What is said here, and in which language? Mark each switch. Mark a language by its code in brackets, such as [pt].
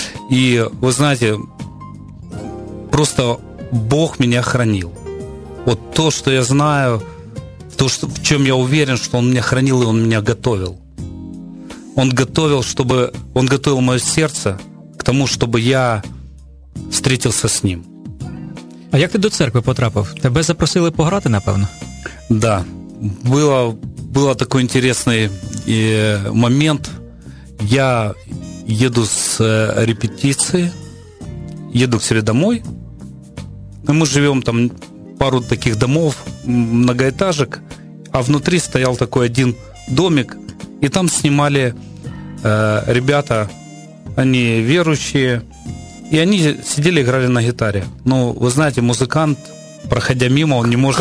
[ru] И, вы знаете, просто Бог меня хранил. Вот то, что я знаю, то, что, в чем я уверен, что Он меня хранил и Он меня готовил. Он готовил мое сердце к тому, чтобы я встретился с Ним. [uk] А як ти до церкви потрапив? Тебе запросили пограти, напевно? [ru] Да. [uk] Було такий інтересний момент. Я їду з репетиції, їду [ru] к себе домой. [uk] Ми живемо там [ru] пару таких домов, многоэтажек, а внутри стоял такой один домик, и там снимали ребята, они верующие, и они сидели, играли на гитаре. Ну, вы знаете, музыкант, проходя мимо, он не может...